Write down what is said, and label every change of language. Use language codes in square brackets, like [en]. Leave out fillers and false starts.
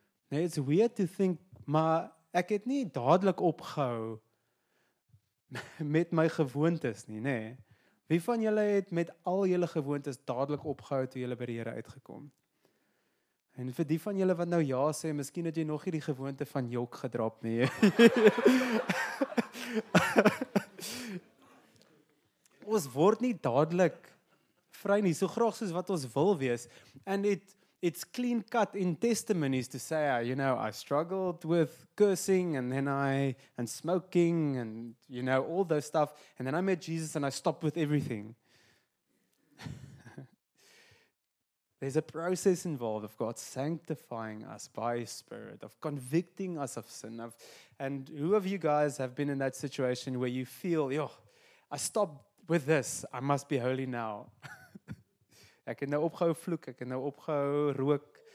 [en] Now, it's weird to think, [af] maar ek het nie dadelijk opgehou met my gewoontes nie, nee. Wie van julle het met al julle gewoontes dadelijk opgehou toe julle by die Here uitgekom? En vir die van julle wat nou ja sê, miskien het jy nog hierdie gewoonte van jok gedrap nie. Ons word nie dadelijk vry nie, so graag soos wat ons wil wees. [en] And it's clean cut in testimonies to say, you know, I struggled with cursing and smoking and, you know, all those stuff. And then I met Jesus and I stopped with everything. There's a process involved of God sanctifying us by His Spirit, of convicting us of sin. And who of you guys have been in that situation where you feel, yo, I stopped with this, I must be holy now? [af] Ek het nou opgehou vloek, ek het nou opgehou rook.